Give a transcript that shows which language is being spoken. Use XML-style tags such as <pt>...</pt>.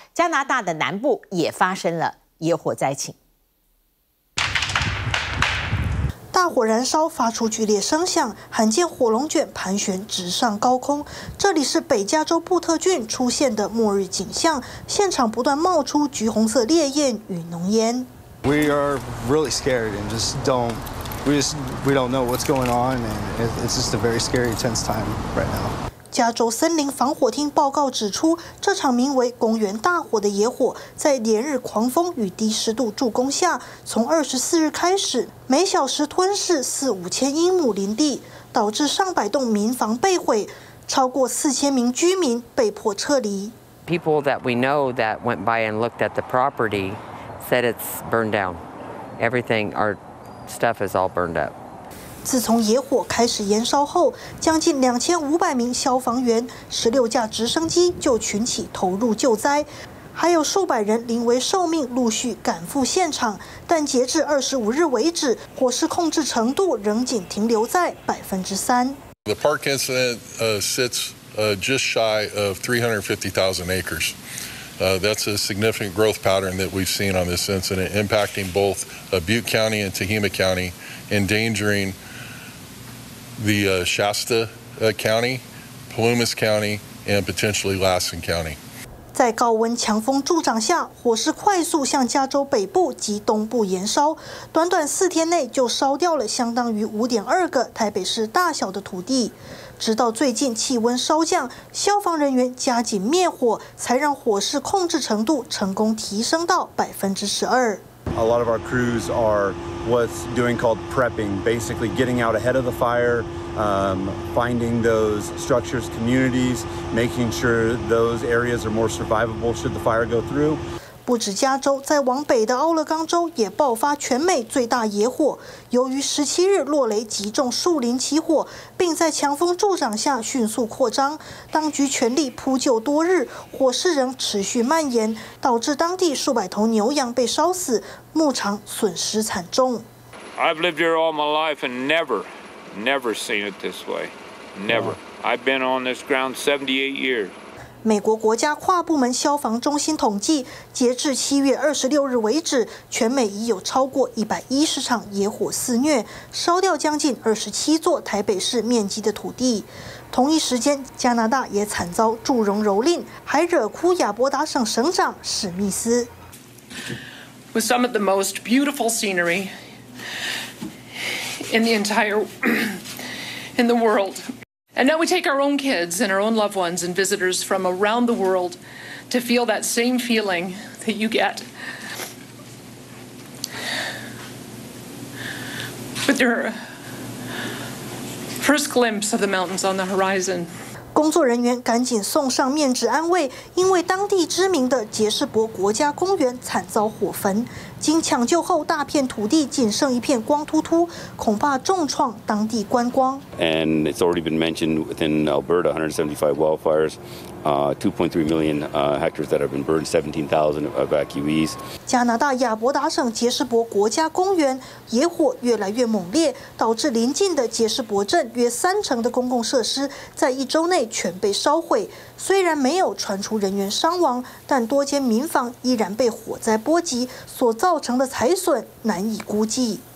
<zh>加拿大的南部也发生了野火灾情。大火燃烧发出剧烈声响，罕见火龙卷盘旋直上高空。这里是北加州布特郡出现的末日景象，现场不断冒出橘红色烈焰与浓烟。</zh> <en>We are really scared and just don't know what's going on, and it's just a very scary, tense time right now.</en> <zh>加州森林防火厅报告指出，这场名为“公园大火”的野火，在连日狂风与低湿度助攻下，从24日开始，每小时吞噬4-5千英亩林地，导致上百栋民房被毁，超过4000名居民被迫撤离。</zh> <en>People that we know that went by and looked at the property. Said it's burned down. Everything, our stuff is all burned up.</en> <zh>自从野火开始燃烧后，将近2500名消防员、16架直升机就群起投入救灾，还有数百人临危受命，陆续赶赴现场。但截至25日为止，火势控制程度仍仅停留在3%。</zh> <en>The park incident sits just shy of 350,000 acres. That's a significant growth pattern that we've seen on this incident, impacting both Butte County and Tehama County, endangering the Shasta County, Plumas County, and potentially Lassen County.</en> <zh>在高温强风助长下，火势快速向加州北部及东部延烧，短短4天内就烧掉了相当于5.2个台北市大小的土地。直到最近气温稍降，消防人员加紧灭火，才让火势控制程度成功提升到12%。</zh> <en>A lot of our crews are what's doing called prepping, basically getting out ahead of the fire, finding those structures, communities, making sure those areas are more survivable should the fire go through.</en> <zh>不止加州，在往北的奥勒冈州也爆发全美最大野火。由于17日落雷击中树林起火，并在强风助长下迅速扩张，当局全力扑救多日，火势仍持续蔓延，导致当地数百头牛羊被烧死，牧场损失惨重。</zh> <en>I've lived here all my life and never, never seen it this way. Never. I've been on this ground 78 years.</en> <zh>美国国家跨部门消防中心统计，截至7月26日为止，全美已有超过110场野火肆虐，烧掉将近27座台北市面积的土地。同一时间，加拿大也惨遭祝融蹂躏，还惹哭亚伯达省省长史密斯。</zh> <en>With some of the most beautiful scenery in the entire in the world. And now we take our own kids and our own loved ones and visitors from around the world to feel that same feeling that you get with your first glimpse of the mountains on the horizon.</en> <zh>工作人员赶紧送上面纸安慰，因为当地知名的杰士伯国家公园惨遭火焚，经抢救后大片土地仅剩一片光秃秃，恐怕重创当地观光。</zh> <en>And it's already been mentioned within Alberta, 175 wildfires, 2.3 million hectares that have been burned, 17,000 evacuees.</en> <zh>加拿大亚伯达省杰士伯国家公园野火越来越猛烈，导致邻近的杰士伯镇约30%的公共设施在一周内全被烧毁。虽然没有传出人员伤亡，但多间民房依然被火灾波及，所造成的财损难以估计。</zh>